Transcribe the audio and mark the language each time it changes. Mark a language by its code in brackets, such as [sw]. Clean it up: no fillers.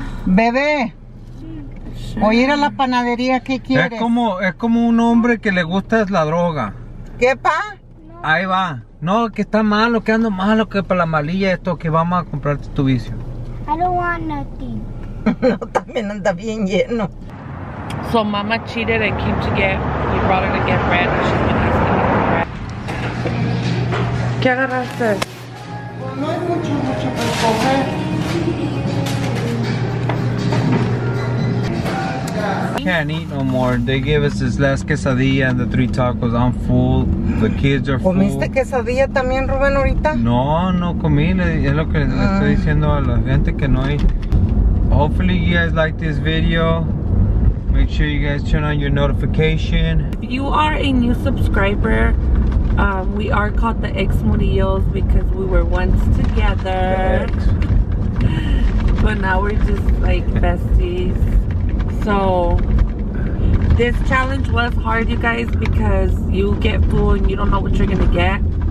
[es] Bebé. Sí. O ir a la panadería, ¿qué quieres? Es como un hombre que le gusta es la droga. ¿Qué, pa? Ahí va. No, que está malo, que ando malo, que para la malilla esto, que vamos a comprarte tu vicio. [en] I don't want nothing. [es] No, también anda bien lleno. [en] So mama cheated and came to get, he brought her to get bread and she's been asking for bread. [es] ¿Qué agarraste? No hay mucho, mucho para comer. [en] Can't eat no more. They gave us this last quesadilla and the three tacos. I'm full. The kids are full. [es] ¿Comiste quesadilla también, Rubén, ahorita? No, no comí. Es lo que le estoy diciendo a la gente que no hay. [en] Hopefully you guys like this video. Make sure you guys turn on your notification. You are a new subscriber. We are called the Ex Murillos because we were once together. But now we're just like besties. So, this challenge was hard, you guys, because you get food and you don't know what you're gonna get.